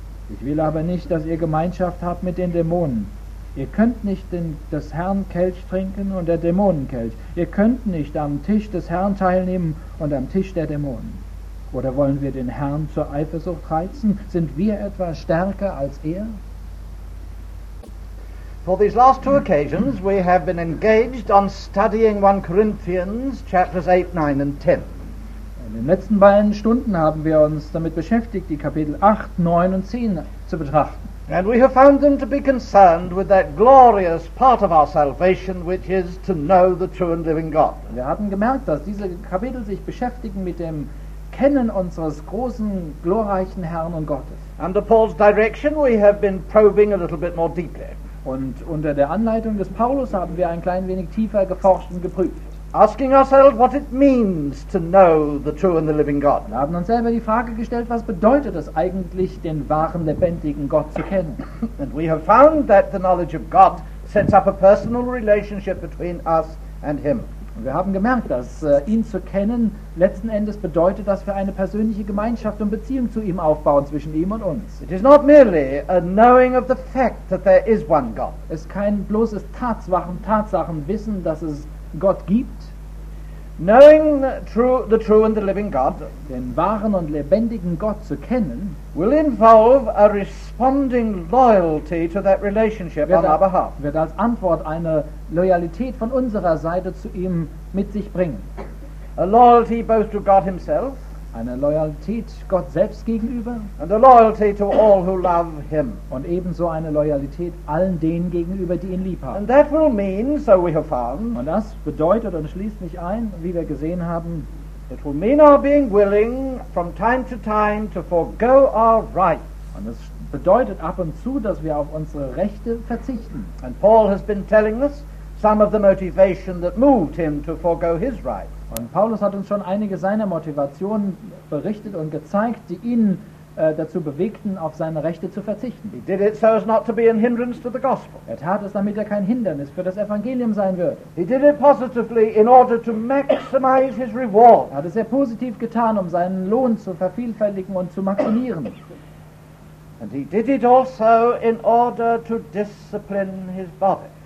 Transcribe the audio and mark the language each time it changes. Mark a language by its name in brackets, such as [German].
[German] Ich will aber nicht, dass ihr Gemeinschaft habt mit den Dämonen. Ihr könnt nicht des Herrn Kelch trinken und der Dämonen Kelch. Ihr könnt nicht am Tisch des Herrn teilnehmen und am Tisch der Dämonen. Oder wollen wir den Herrn zur Eifersucht reizen? Sind wir etwa stärker als er? [English] For these last two occasions we have been engaged on studying 1 Corinthians chapters 8, 9 and 10. [German] In den letzten beiden Stunden haben wir uns damit beschäftigt, die Kapitel 8, 9 und 10 zu betrachten. [English] And we have found them to be concerned with that glorious part of our salvation, which is to know the true and living God. [German] Wir hatten gemerkt, dass diese Kapitel sich beschäftigen mit dem Kennen unseres großen, glorreichen Herrn und Gottes. [English] Under Paul's direction, we have been probing a little bit more deeply. [German] Und unter der Anleitung des Paulus haben wir ein klein wenig tiefer geforscht und geprüft. [English] Asking ourselves what it means to know the true and the living God. [German] Wir haben uns selber die Frage gestellt, was bedeutet es eigentlich, den wahren, lebendigen Gott zu kennen? [English] And we have found that the knowledge of God sets up a personal relationship between us and him. [German] Und wir haben gemerkt, dass ihn zu kennen letzten Endes bedeutet, dass wir eine persönliche Gemeinschaft und Beziehung zu ihm aufbauen zwischen ihm und uns. [English] It is not merely a knowing of the fact that there is one God. [German] Es ist kein bloßes Tatsachenwissen, dass es Gott gibt. [English] Knowing the true and the living God, [German] den wahren und lebendigen Gott zu kennen, [English] will involve a responding loyalty to that relationship on our behalf. [German] Wird als Antwort eine Loyalität von unserer Seite zu ihm mit sich bringen. [English] A loyalty both to God himself, [German] eine Loyalität Gott selbst gegenüber, [English] and a loyalty to all who love him, [German] und ebenso eine Loyalität allen denen gegenüber, die ihn lieb haben. [English] And that will mean, so we have found, [German] und das bedeutet und schließt mich ein, wie wir gesehen haben, [English] it will mean our being willing from time to time to forego our rights. [German] Und es bedeutet ab und zu, dass wir auf unsere Rechte verzichten. [English] And Paul has been telling us some of the motivation that moved him to forego his rights. [German] Und Paulus hat uns schon einige seiner Motivationen berichtet und gezeigt, die ihn dazu bewegten, auf seine Rechte zu verzichten. [English] He did it so as not to be a hindrance to the gospel. [German] Er tat es, damit er kein Hindernis für das Evangelium sein würde. [English] He did it positively in order to maximize his reward. [German] Er hat es sehr positiv getan, um seinen Lohn zu vervielfältigen und zu maximieren. [English] And he did it also in order to discipline his body.